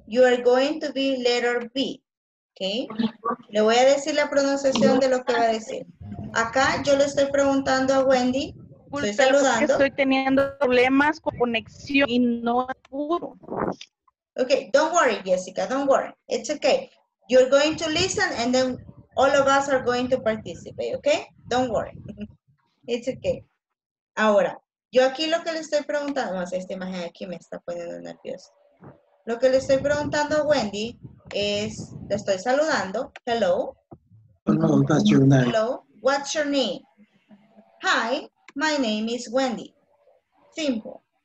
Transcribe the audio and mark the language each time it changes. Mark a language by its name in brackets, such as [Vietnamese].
[English] You are going to be letter B. Okay. [Spanish] Le voy a decir la pronunciación de lo que va a decir. Acá yo le estoy preguntando a Wendy. Estoy saludando. Estoy teniendo problemas con conexión y no puedo. [English] Okay, don't worry, Jessica. Don't worry. It's okay. You're going to listen and then all of us are going to participate, okay? Don't worry. It's okay. [Spanish] Ahora, yo aquí lo que le estoy preguntando, más esta imagen aquí me está poniendo nerviosa. Lo que le estoy preguntando a Wendy es, le estoy saludando. [English] Hello. Hello, that's your name. Hello, what's your name? Hi, my name is Wendy. Simple.